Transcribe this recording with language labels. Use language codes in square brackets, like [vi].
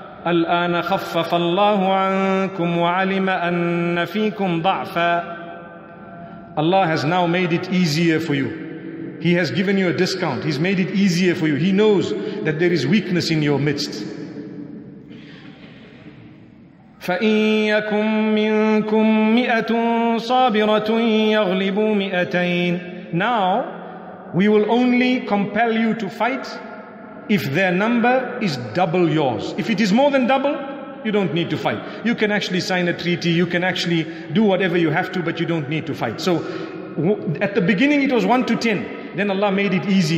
[ar] الآن خفف الله عنكم وعلم أن فيكم ضعفا. [en] Allah has now made it easier for you. He has given you a discount. He's made it easier for you. He knows that there is weakness in your midst. [ar] فإن يكن منكم مئة صابرة يغلبوا مئتين. [en] Now, we will only compel you to fight if their number is double yours. If it is more than double, you don't need to fight. You can actually sign a treaty, you can actually do whatever you have to, but you don't need to fight. So at the beginning it was 1 to 10. Then Allah made it easy.